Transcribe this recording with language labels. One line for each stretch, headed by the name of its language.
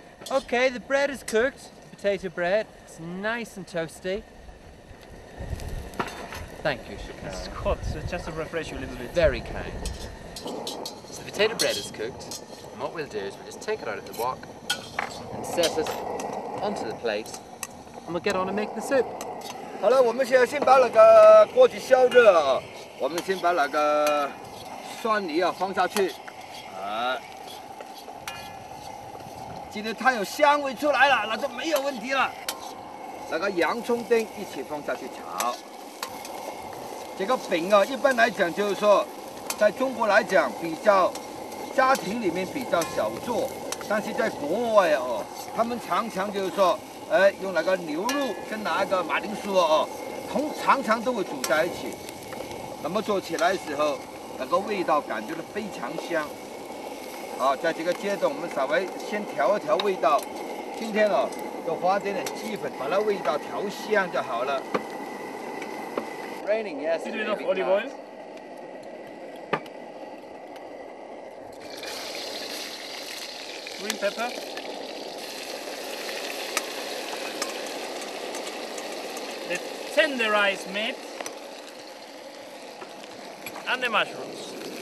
English: Okay, the bread is cooked. Potato bread, it's nice and toasty. Thank you, Chikal. It's hot, so just to refresh you a little bit. Very kind. So the potato bread is cooked, and what we'll do is we'll just take it out of the wok and set it onto the plate, and we'll get on and make the soup.
Chinese: 好了，我们现在先把那个锅子烧热啊，我们先把那个酸泥啊放下去。今天它有香味出来了，那就没有问题了。那个洋葱丁一起放下去炒。这个饼啊，一般来讲就是说，在中国来讲比较家庭里面比较小做，但是在国外哦，他们常常就是说，用那个牛肉跟那个马铃薯哦，常常都会煮在一起。那么做起来的时候，那个味道感觉非常香。好，在这个阶段我们稍微先调一调味道，今天哦就花点点鸡粉把那味道调香就好了。
English: Raining, yes, a little bit of olive oil. Green pepper. The tenderized meat and the mushrooms.